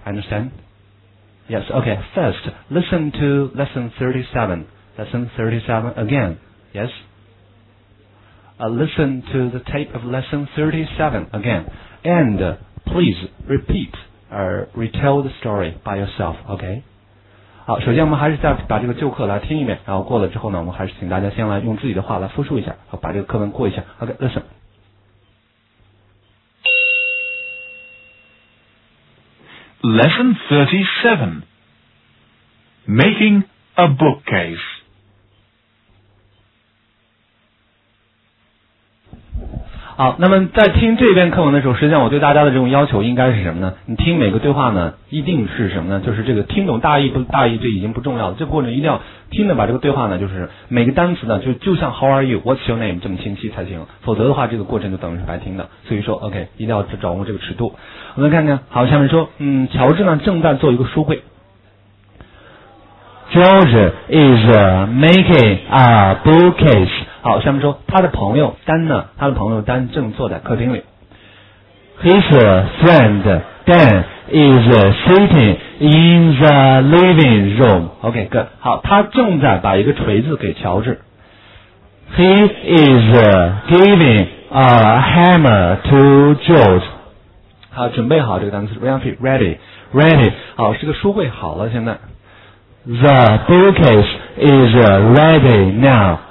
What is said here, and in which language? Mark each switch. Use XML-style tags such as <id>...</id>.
<en>Understand? Yes, okay. First, listen to lesson 37. Lesson 37 again. Yes? Listen to the tape of lesson 37 again. And please repeat or retell the story by yourself, okay?</en> <zh>好，首先我们还是再把这个旧课来听一遍，然后过了之后呢，我们还是请大家先来用自己的话来复述一下，好，把这个课文过一下。</zh> <en>OK, listen. Lesson 37. Making a bookcase.</en> <zh>好，那么在听这篇课文的时候，实际上我对大家的这种要求应该是什么呢？你听每个对话呢，一定是什么呢？就是这个听懂大意不大意，这已经不重要了。这过程一定要听的把这个对话呢，就是每个单词呢，就像</zh> <en>How are you? What's your name?</en> <zh>这么清晰才行。否则的话，这个过程就等于是白听的。所以说 ，OK, 一定要掌握这个尺度。我们看看，好，下面说，乔治呢正在做一个书柜。</zh> <en>George is making a bookcase.</en> <zh>好，下面说他的朋友丹呢，他的朋友丹正坐在客厅里。</zh> <en>His friend Dan is sitting in the living room. OK, good.</en> <zh>好，他正在把一个锤子给乔治。</zh> <en>He is giving a hammer to George.</en> <zh>好，准备好这个单词 ready, ready. 好，是个书柜好了，现在。</zh> <en>The bookcase is ready now.</en>